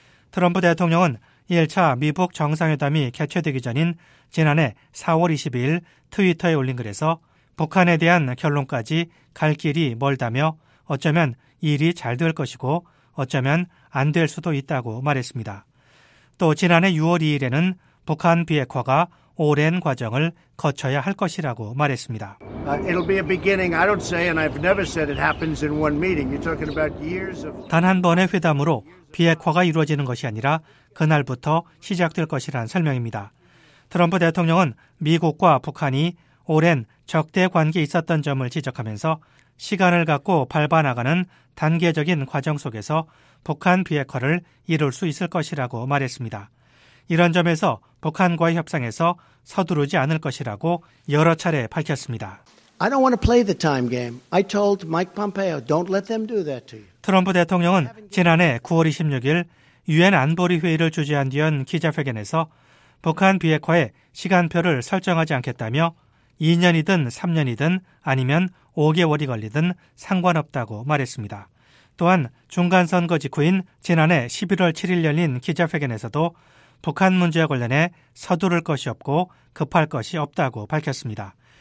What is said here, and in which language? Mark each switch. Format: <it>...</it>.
<ko>트럼프 대통령은 1차 미북 정상회담이 개최되기 전인 지난해 4월 22일 트위터에 올린 글에서 북한에 대한 결론까지 갈 길이 멀다며 어쩌면 일이 잘 될 것이고 어쩌면 안 될 수도 있다고 말했습니다. 또 지난해 6월 2일에는 북한 비핵화가 오랜 과정을 거쳐야 할 것이라고 말했습니다.</ko> <en>It'll be a beginning. I don't say and I've never said it happens in one meeting. You're talking about years of</en> <ko>단 한 번의 회담으로 비핵화가 이루어지는 것이 아니라 그날부터 시작될 것이란 설명입니다. 트럼프 대통령은 미국과 북한이 오랜 적대 관계에 있었던 점을 지적하면서 시간을 갖고 밟아 나가는 단계적인 과정 속에서 북한 비핵화를 이룰 수 있을 것이라고 말했습니다. 이런 점에서 북한과의 협상에서 서두르지 않을 것이라고 여러 차례 밝혔습니다.</ko> <en>I don't want to play the time game. I told Mike Pompeo, don't let them do that to you.</en> <ko>트럼프 대통령은 지난해 9월 26일 유엔 안보리 회의를 주재한 뒤 연 기자회견에서 북한 비핵화에 시간표를 설정하지 않겠다며 2년이든 3년이든 아니면 5개월이 걸리든 상관없다고 말했습니다. 또한 중간선거 직후인 지난해 11월 7일 열린 기자회견에서도 북한 문제와 관련해 서두를 것이 없고 급할 것이 없다고 밝혔습니다.</ko>